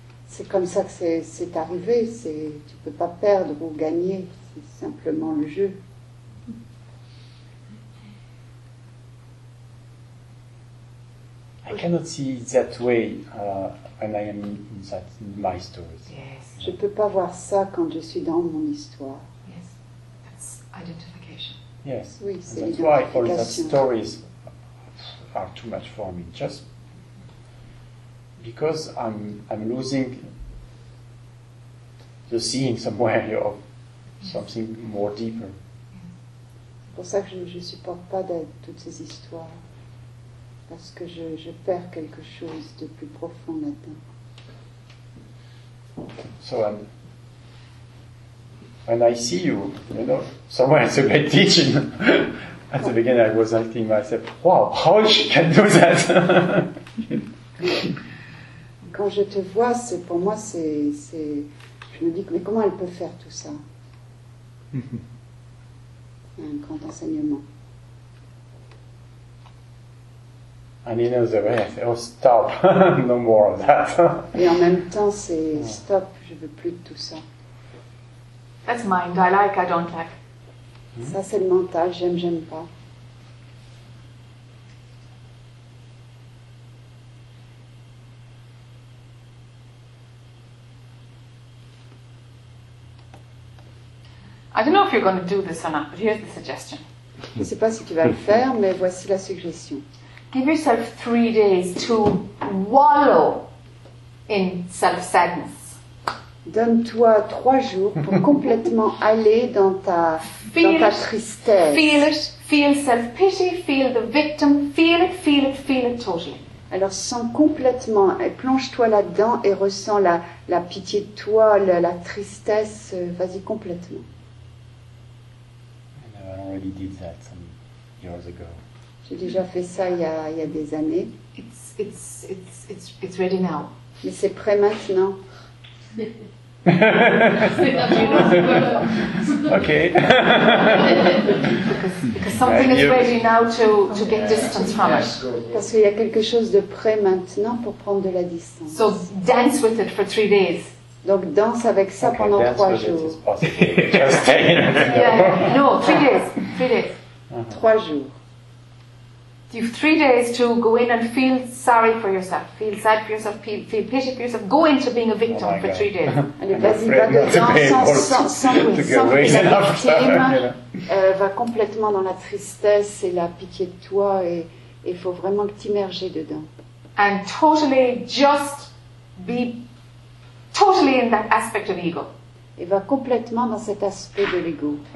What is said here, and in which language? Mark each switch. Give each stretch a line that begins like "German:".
French: C'est comme ça que c'est arrivé. Tu ne peux pas perdre ou gagner. C'est simplement le jeu.
English: I cannot see it that way when I am in that in my story. Yes.
French: Je peux pas voir ça quand je suis dans mon histoire.
English: Yes. That's identification. Yes.
French: Oui, c'est
English: that's why all those stories are too much for me. Just because I'm losing the seeing somewhere of something more deeper.
French: C'est pour ça que je supporte pas toutes ces histoires. Parce que je perds quelque chose de plus profond là-dedans.
English: So when I see you, you know, somewhere it's a great teaching. At the beginning I was asking myself, wow, how she can do that?
French: Quand je te vois, c'est pour moi, c'est je me dis, mais comment elle peut faire tout ça? C'est un grand enseignement.
English: And in other way, I say, oh, stop, no more of that.
French: Et en même temps, c'est stop, je veux plus de tout ça.
English: That's mind, I like, I don't like.
French: Ça, c'est le mental, j'aime pas.
English: I don't know if you're going to do this or not, but here's the suggestion.
French: Je sais pas si tu vas le faire, mais voici la suggestion.
English: Give yourself 3 days to wallow in self-sadness.
French: Donne-toi 3 jours pour complètement aller dans ta tristesse.
English: Feel it, feel self-pity, feel the victim, feel it, feel it, feel it totally.
French: Alors sens complètement, plonge-toi là-dedans et ressens la pitié de toi, la tristesse, vas-y complètement.
English: I already did that some years ago.
French: J'ai déjà fait ça il y a des années.
English: It's ready now.
French: Mais c'est prêt maintenant.
English: Okay. because something is ready now to get distance from it.
French: Parce qu'il y a quelque chose de prêt maintenant pour prendre de la distance.
English: So dance with it for 3 days.
French: Donc danse avec ça pendant 3 jours.
English: Just stay in it. No, 3 days. 3 days. Uh-huh.
French: 3 jours.
English: You've 3 days to go in and feel sorry for yourself, feel sad for yourself, feel pity for yourself. Go into being a victim for 3 days.
French: Allez, vas-y, va dedans, sans va complètement dans la tristesse et la pitié de toi et il faut vraiment que tu immerges dedans.
English: And totally just be totally in that aspect of ego.
French: Et va complètement dans cet aspect de l'ego.